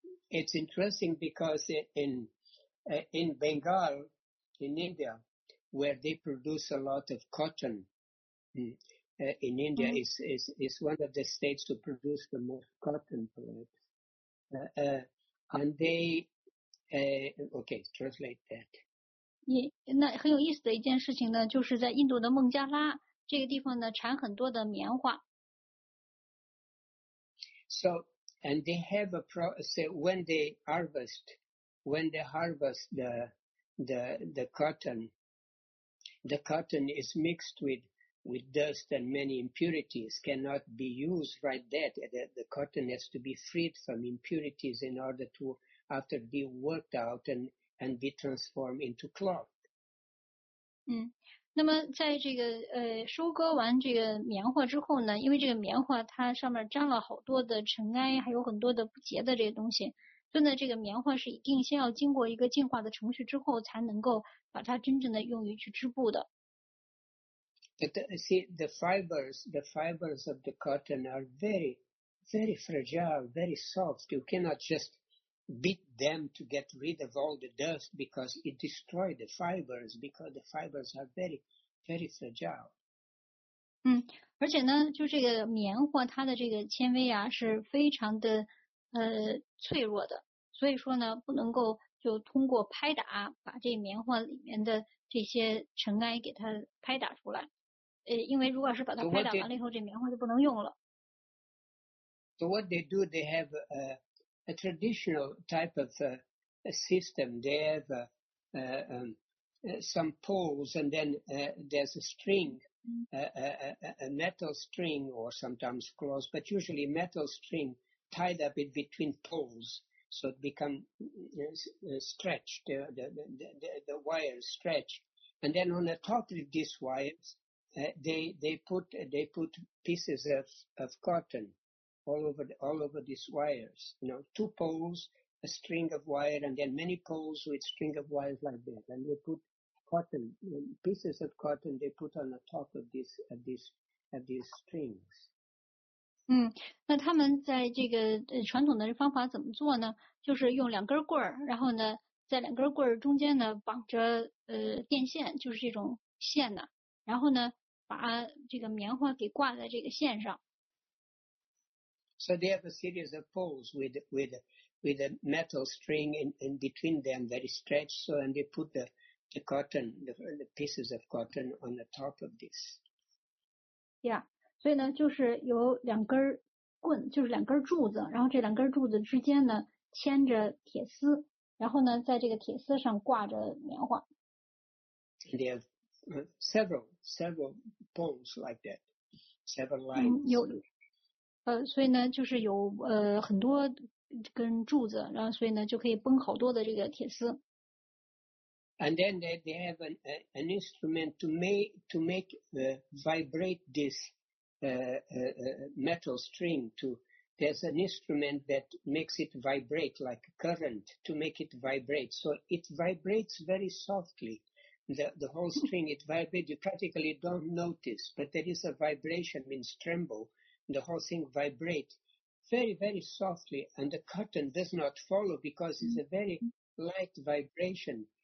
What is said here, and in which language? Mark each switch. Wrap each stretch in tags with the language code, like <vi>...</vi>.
<en>It's interesting because in Bengal in India where they produce a lot of cotton In India, is one of the states to produce the most cotton perhaps. And they, okay, translate that.</en> <zh>那很有意思的一件事情呢，就是在印度的孟加拉这个地方呢，产很多的棉花。</zh> <en>So, and they have a pro, say, when they harvest the cotton, the cotton is mixed with dust and many impurities, cannot be used right there. The cotton has to be freed from impurities in order to, after be worked out and be transformed into cloth.</en> <zh>那么在这个收割完这个棉花之后呢，因为这个棉花它上面沾了好多的尘埃，还有很多的不洁的这些东西，所以呢，这个棉花是一定先要经过一个净化的程序之后，才能够把它真正的用于去织布的。</zh> <en>But see, the fibers of the cotton are very, very fragile, very soft. You cannot just beat them to get rid of all the dust because it destroys the fibers because the fibers are very, very fragile.</en> <zh>而且呢，就这个棉花它的这个纤维啊是非常的脆弱的，所以说呢，不能够就通过拍打把这棉花里面的这些尘埃给它拍打出来。因为如果是把它拍打完了以后，这棉花就不能用了。</zh> <en>So what they do, they have a traditional type of a system. They have some poles, and then there's a string, a metal string, or sometimes cloth, but usually metal string tied up in between poles, so it becomes stretched, the wires stretch, and then on the top of these wires. They put pieces of cotton all over these wires. You know, two poles, a string of wire, and then many poles with string of wires like that. And they put cotton, pieces of cotton they put on the top of these strings.</en> <zh>那他们在这个传统的方法怎么做呢？就是用两根棍儿，然后呢，在两根棍儿中间呢绑着电线，就是这种线呢，然后呢。把这个棉花给挂在这个线上。</zh> <en>So they have a series of poles with a metal string in between them, very stretched. So and they put the cotton, the pieces of cotton on the top of this.</en> <zh>Yeah, 所以呢，就是有两根棍，就是两根柱子，然后这两根柱子之间呢牵着铁丝，然后呢在这个铁丝上挂着棉花。</zh> <en>They have several poles like that, several lines.</en> <zh>有，所以呢，就是有很多根柱子，然后所以呢就可以绷好多的这个铁丝。</zh> <en>And then they have an instrument to make vibrate this metal string. There's an instrument that makes it vibrate like a current to make it vibrate. So it vibrates very softly. The whole string, it vibrates, you practically don't notice, but there is a vibration, means tremble, the whole thing vibrates very, very softly, and the cotton does not follow because it's a very light vibration.</en>